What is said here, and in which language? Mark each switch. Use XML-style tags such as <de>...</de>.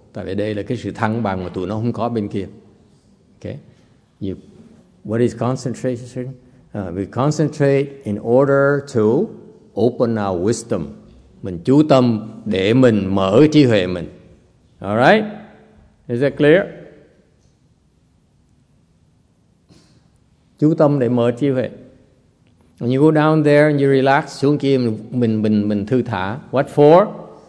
<vi>Tại vì đây là cái sự thăng bằng mà tụi nó không có bên kia.</vi> <en>Okay? What is concentration? We concentrate in order to open our wisdom.</en> <vi>Mình chú tâm để mình mở trí huệ mình.</vi> <en>Alright? Is that clear?</en> <vi>Chú tâm để mở trí huệ.</vi> <en>When you go down there and you relax,</en> <vi>xuống kia mình thư thả.</vi> <en>What for?</en>